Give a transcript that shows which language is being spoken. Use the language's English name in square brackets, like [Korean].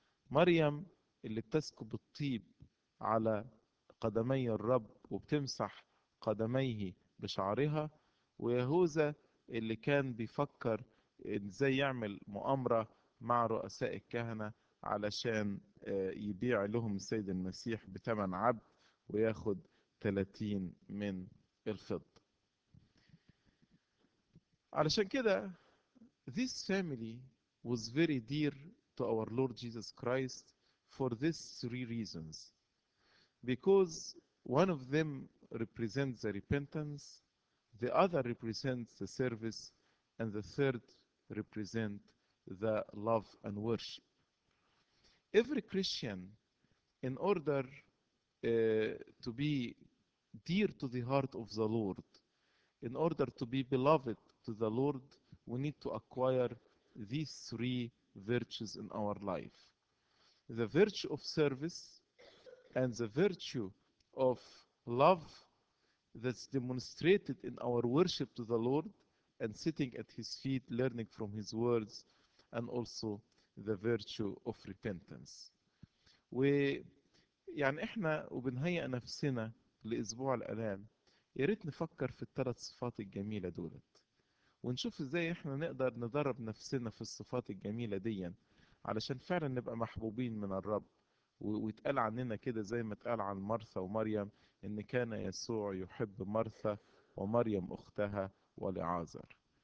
[Arabic] مريم اللي بتسكب الطيب على قدمي الرب وبتمسح قدميه بشعرها، ويهوذا اللي كان بيفكر ازاي يعمل مؤامرة مع رؤساء الكهنة علشان يبيع لهم السيد المسيح بثمن عبد وياخد 30 من الفضة. علشان كده [English] this family was very dear to our Lord Jesus Christ for these three reasons. Because one of them represents the repentance, the other represents the service, and the third represents the love and worship. Every Christian, in order to be dear to the heart of the Lord, in order to be beloved to the Lord, we need to acquire these three virtues in our life. The virtue of service and the virtue of love that's demonstrated in our worship to the Lord and sitting at His feet, learning from His words, and also the virtue of repentance. [Arabic] ويعني احنا وبنهيئ نفسنا لاسبوع الالام يا ريت نفكر في الثلاث صفات الجميله دولت ونشوف ازاي احنا نقدر ندرب نفسنا في الصفات الجميله دي علشان فعلا نبقى محبوبين من الرب، ويتقال عننا كده زي ما اتقال عن مرثا ومريم ان كان يسوع يحب مرثا ومريم اختها ولعازر.